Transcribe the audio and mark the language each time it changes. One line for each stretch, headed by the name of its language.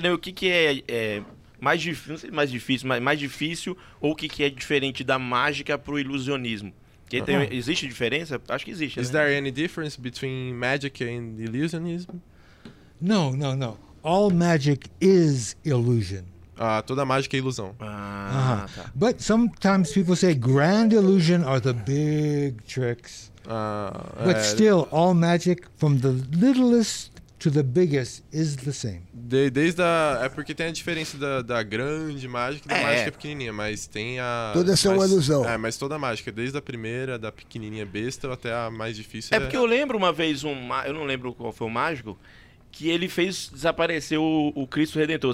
Portuguese: Neil, o que é mais difícil? Não sei se mais difícil, mas mais difícil ou o que é diferente da mágica pro ilusionismo? Existe diferença? Acho que existe.
English: Is there any difference between magic and illusionism? No, no, no. All magic is illusion.
Portuguese: Ah, toda mágica é ilusão. Ah, uh-huh. Tá.
English: But sometimes people say grand illusion are the big tricks. But still, all magic, from the littlest to the biggest, is the same.
Portuguese: É porque tem a diferença da grande mágica e da mágica pequenininha, mas tem a... Toda essa é uma ilusão. É, mas toda a mágica, desde a primeira, da pequenininha besta, até a mais difícil. É porque eu lembro uma vez, eu não lembro qual foi o mágico, que ele fez desaparecer o Cristo Redentor.